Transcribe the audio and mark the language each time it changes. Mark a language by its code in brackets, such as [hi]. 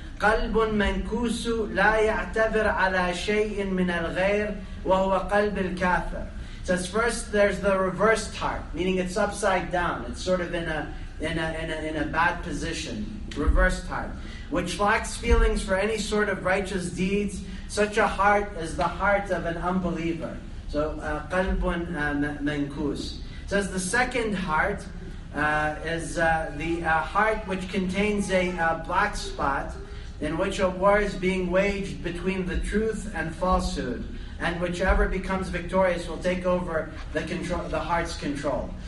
[ar] قَلْبٌ مَنْكُوسُ لَا يَعْتَبِرْ عَلَى شَيْءٍ مِنَ الْغَيْرِ وَهُوَ قَلْبِ الْكَافِرِ. [en] It says first there's the reversed heart, meaning it's upside down. It's sort of in a bad position, reversed heart, which lacks feelings for any sort of righteous deeds. Such a heart is the heart of an unbeliever. So [ar] قَلْبٌ مَنْكُوسُ. [en] It says the second heart is the heart which contains a black spot, in which a war is being waged between the truth and falsehood, and whichever becomes victorious will take over the heart's control.